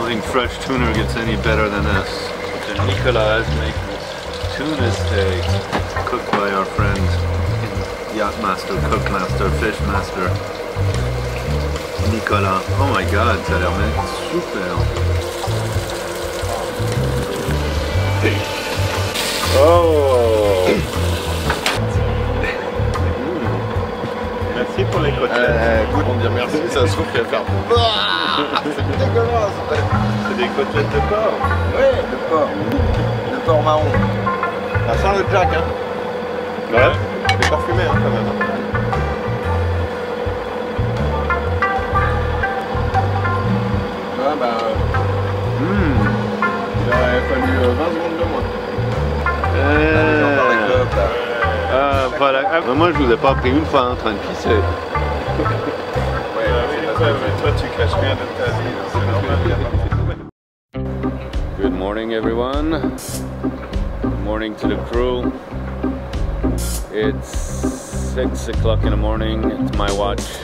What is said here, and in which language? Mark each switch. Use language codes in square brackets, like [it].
[en] Fresh tuna gets any better than this. So Nicolas is making this tuna steak cooked by our friend Yachtmaster, Cookmaster, Fishmaster Nicolas. Oh my god, [fr] ça a l'air mec, super. Oh! Merci pour les côtelettes. Comment dire merci, ça se trouve qu'il va faire. C'est dégueulasse! Des côtelettes de porc. Oui, de porc. De porc marron. Ça sent le jack, hein. Ouais. C'est parfumé, hein, quand même. Ah bah... Il aurait fallu 20 secondes de moins. Voilà. Moi, je vous ai pas pris une fois en train de pisser. Ouais, toi, tu caches rien de ta vie. C'est normal. [en] Good morning everyone, good morning to the crew, it's 6 o'clock in the morning, it's my watch,